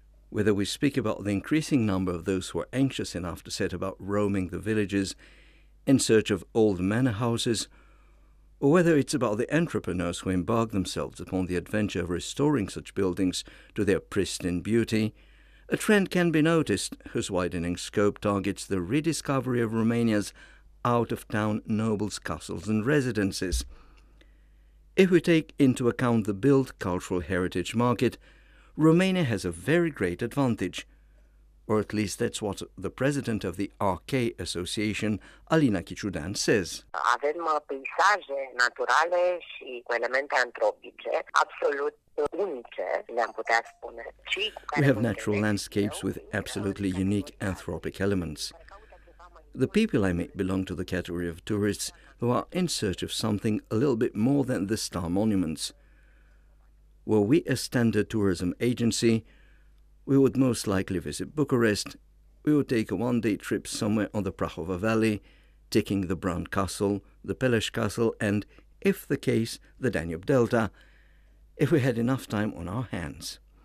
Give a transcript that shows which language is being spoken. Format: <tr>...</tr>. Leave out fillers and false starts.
<en>Whether we speak about the increasing number of those who are anxious enough to set about roaming the villages in search of old manor houses, or whether it's about the entrepreneurs who embark themselves upon the adventure of restoring such buildings to their pristine beauty, a trend can be noticed whose widening scope targets the rediscovery of Romania's out-of-town nobles' castles and residences. If we take into account the built cultural heritage market, Romania has a very great advantage. Or at least that's what the president of the RK Association, Alina Chiciudan, says.</en> <ro>Avem peisaje naturale și cu elemente antropice absolut unice, le-am putea spune.</ro> <en>We have natural landscapes with absolutely unique anthropic elements. The people I meet belong to the category of tourists who are in search of something a little bit more than the star monuments. Were we a standard tourism agency, we would most likely visit Bucharest, we would take a one-day trip somewhere on the Prahova Valley, taking the Brown Castle, the Peleș Castle and, if the case, the Danube Delta, if we had enough time on our hands.</en>